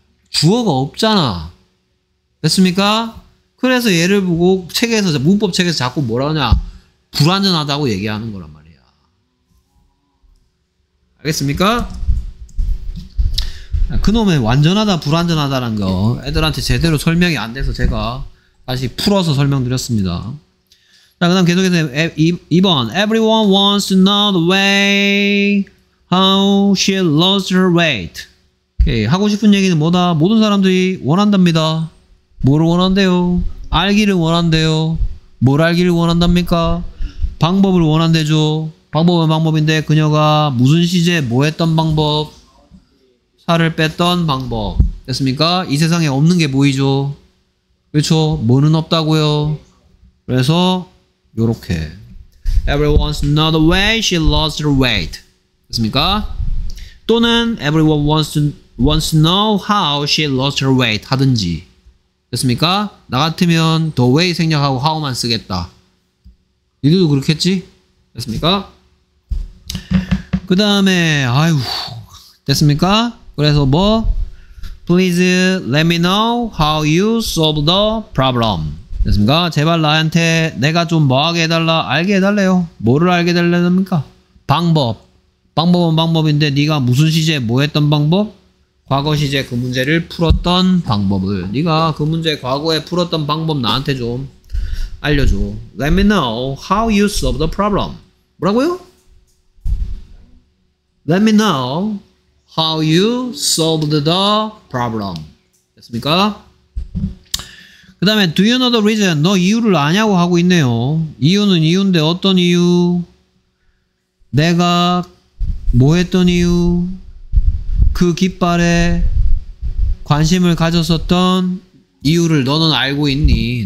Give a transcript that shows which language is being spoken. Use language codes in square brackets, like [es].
[ko] 주어가 없잖아. 됐습니까? 그래서 얘를 보고 책에서, 문법 책에서 자꾸 뭐라 하냐, 불완전하다고 얘기하는 거란 말이야. 알겠습니까? 그놈의 완전하다 불완전하다는 거 애들한테 제대로 설명이 안 돼서 제가 다시 풀어서 설명드렸습니다. 자, 그 다음 계속해서 2번. [en] Everyone wants to know the way how she lost her weight. [ko] 오케이. 하고 싶은 얘기는 뭐다? 모든 사람들이 원한답니다. 뭐를 원한대요? 알기를 원한대요. 뭘 알기를 원한답니까? 방법을 원한대죠. 방법은 방법인데 그녀가 무슨 시제, 뭐 했던 방법? 살을 뺐던 방법. 됐습니까? 이 세상에 없는 게 보이죠? 그렇죠? 뭐는 없다고요? 그래서 요렇게. [en] Everyone's not the way she lost her weight. [ko] 됐습니까? 또는 [en] everyone wants to know how she lost her weight [ko] 하든지. 됐습니까? 나 같으면 the way 생략하고 how만 쓰겠다. 니들도 그렇겠지? 됐습니까? 그 다음에 아유 됐습니까? 그래서 뭐? [en] Please let me know how you solve the problem. [ko] 됐습니까? 제발 나한테 내가 좀 뭐하게 해달라? 알게 해달래요. 뭐를 알게 해달랍니까? 방법. 방법은 방법인데 네가 무슨 시제 뭐 했던 방법? 과거 시제 그 문제를 풀었던 방법을. 네가 그 문제 과거에 풀었던 방법 나한테 좀 알려줘. [en] Let me know how you solve the problem. [ko] 뭐라고요? [en] Let me know how you solved the problem. [ko] 됐습니까? 그 다음에 [en] Do you know the reason? [ko] 너 이유를 아냐고 하고 있네요. 이유는 이유인데 어떤 이유? 내가 뭐 했던 이유? 그 깃발에 관심을 가졌었던 이유를 너는 알고 있니?